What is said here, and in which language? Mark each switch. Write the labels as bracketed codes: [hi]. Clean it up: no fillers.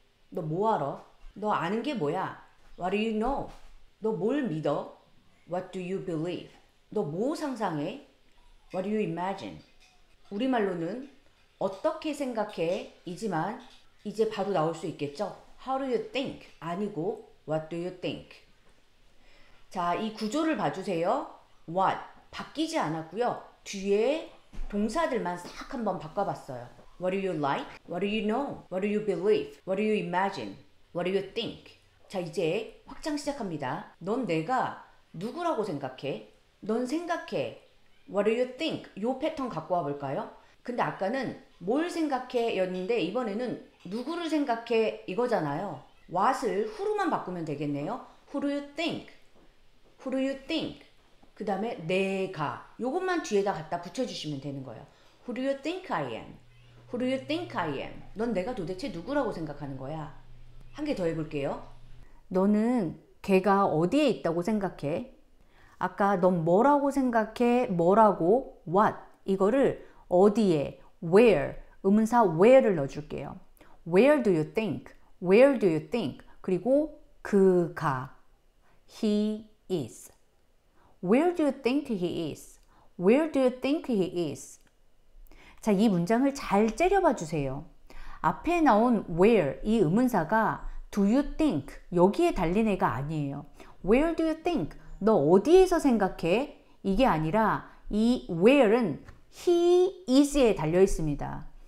[ko] 너 뭐 알아? 너 아는 게 뭐야? [en] What do you know? [ko] 너 뭘 믿어? [en] What do you believe? [ko] 너 뭐 상상해? [en] What do you imagine? [ko] 우리말로는 어떻게 생각해? 이지만 이제 바로 나올 수 있겠죠? [en] How do you think? [ko] 아니고 [en] What do you think? [ko] 자, 이 구조를 봐주세요. [en] What? [ko] 바뀌지 않았고요. 뒤에 동사들만 싹 한번 바꿔봤어요. [en] What do you like? What do you know? What do you believe? What do you imagine? What do you think? [ko] 자, 이제 확장 시작합니다. 넌 내가 누구라고 생각해? 넌 생각해. [en] What do you think? [ko] 요 패턴 갖고 와볼까요? 근데 아까는 뭘 생각해 였는데 이번에는 누구를 생각해 이거잖아요. What을 who로만 바꾸면 되겠네요. [en] Who do you think? Who do you think? [ko] 그 다음에 내가 요것만 뒤에다 갖다 붙여주시면 되는 거예요. [en] Who do you think I am? Who do you think I am? [ko] 넌 내가 도대체 누구라고 생각하는 거야? 한 개 더 해볼게요. 너는 걔가 어디에 있다고 생각해? 아까 넌 뭐라고 생각해? 뭐라고? [en] What? [ko] 이거를 어디에? [en] Where? [ko] 의문사 where를 넣어줄게요. [en] Where do you think? Where do you think? [ko] 그리고 그가 [en] He is Where do you think he is? Where do you think he is? [ko] 자, 이 문장을 잘 째려봐 주세요. 앞에 나온 where 이 의문사가 [en] do you think [ko] 여기에 달린 애가 아니에요. [en] Where do you think? [ko] 너 어디에서 생각해? 이게 아니라 이 where은 he is에 달려 있습니다.